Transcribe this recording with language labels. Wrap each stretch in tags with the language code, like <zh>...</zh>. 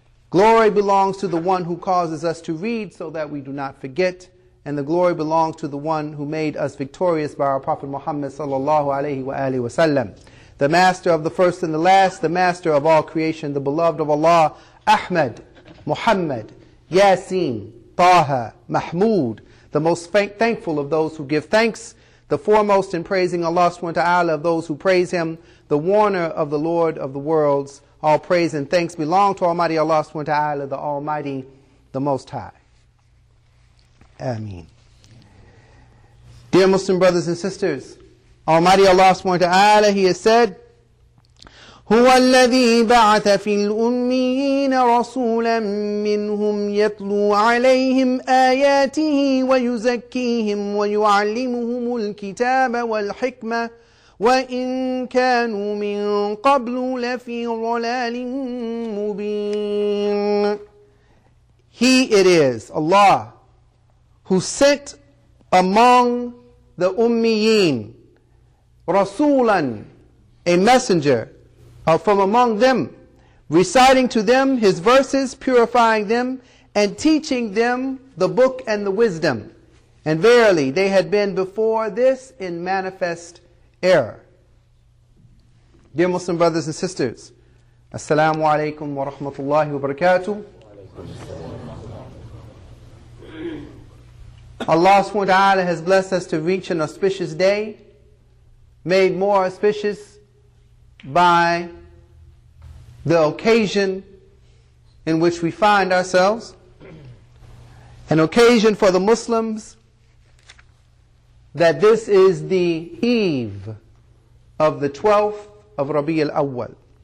<en>Glory belongs to the one who causes us to read so that we do not forget, and the glory belongs to the one who made us victorious by our Prophet Muhammad sallallahu alayhi wa alayhi wa sallam, the master of the first and the last, the master of all creation, the beloved of Allah, Ahmed, Muhammad, Yasin, Taha, Mahmud, the most thankful of those who give thanks, the foremost in praising Allah subhanahu wa ta'ala of those who praise Him, the warner of the Lord of the worlds. All praise and thanks belong to Almighty Allah subhanahu wa ta'ala, the Almighty, the Most High. Ameen. Dear Muslim brothers and sisters, Almighty Allah subhanahu wa ta'ala, He has said,</en> <ar>هو الذي بعث في الأميين رسولا منهم يتلو عليهم آياته ويزكيهم ويعلمهم الكتاب والحكمة وإن كانوا من قبل لفي ضلال مبين.</ar> <en>He it is, Allah, who sent among the Ummiyin Rasulan, a messenger, from among them, reciting to them his verses, purifying them, and teaching them the book and the wisdom. And verily, they had been before this in manifest error. Dear Muslim brothers and sisters,</en> <ar>السلام عليكم ورحمة الله وبركاته.</ar> <en>Allah SWT has blessed us to reach an auspicious day, made more auspicious by the occasion in which we find ourselves, an occasion for the Muslims that this is the eve of the 12th of Rabi al-Awwal.</en>